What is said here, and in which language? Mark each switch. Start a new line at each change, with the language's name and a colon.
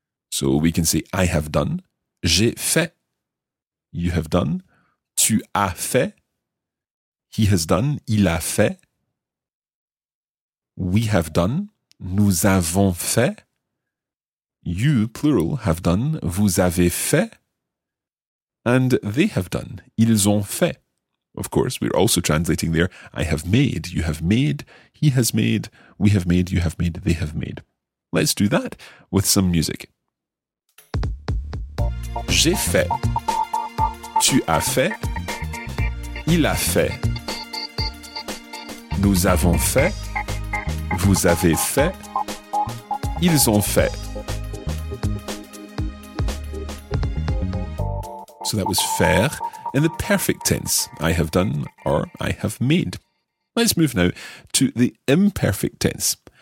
English: So we can say I have done,
French: j'ai fait.
English: You have done,
French: tu as fait,
English: he has done,
French: il a fait,
English: we have done,
French: nous avons fait,
English: you, plural, have done,
French: vous avez fait,
English: and they have done,
French: ils ont fait.
English: Of course, we're also translating there, I have made, you have made, he has made, we have made, you have made, they have made. Let's do that with some music.
French: J'ai fait. Tu as fait, il a fait, nous avons fait, vous avez fait, ils ont fait.
English: So that was faire in the perfect tense, I have done or I have made. Let's move now to the imperfect tense.